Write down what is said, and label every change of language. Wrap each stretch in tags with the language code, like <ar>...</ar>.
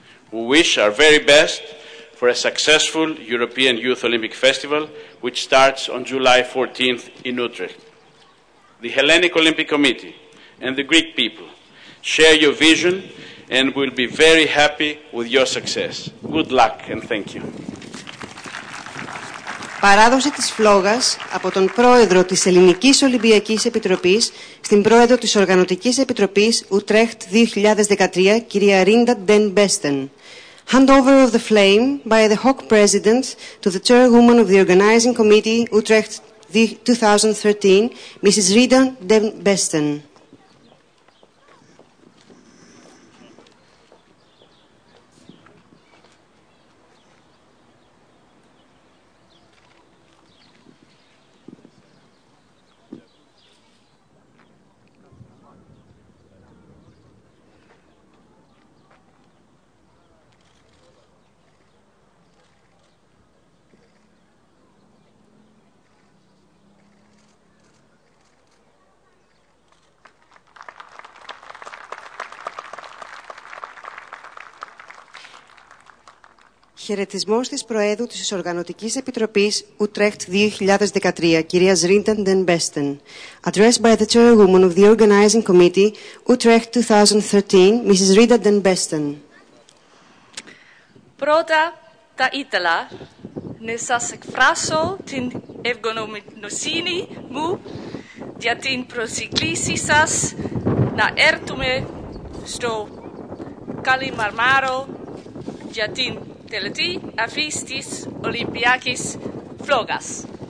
<en>We wish our very best for a successful European Youth Olympic Festival, which starts on July 14th in Utrecht. The Hellenic Olympic Committee and the Greek people share your vision and will be very happy with your success. Good luck and thank you.</en> <el>Παράδοση της φλόγας από τον πρόεδρο της Ελληνικής Ολυμπιακής Επιτροπής στην πρόεδρο της Οργανωτικής Επιτροπής Utrecht 2013, κυρία Ρίντα Ντεν Μπέστεν.</el> <en>Handover of the flame by the HOC president to the chairwoman of the organizing committee Utrecht 2013, Mrs. Rita Den Besten.</en> <el>Χαιρετισμός της Προέδρου της Οργανωτικής Επιτροπής Utrecht 2013, κυρία Ρίντα Ντεν Μπέστεν.</el> <en>Addressed by the chairwoman of the organizing committee Utrecht 2013, Mrs. Rita Den Besten.</en> <el>Πρώτα τα ήθελα να σας εκφράσω την ευγνωμοσύνη μου για την προσκλήση σας να έρθουμε στο Καλή Μαρμάρο για την τελετή αφής της Ολυμπιακής φλόγας.</el>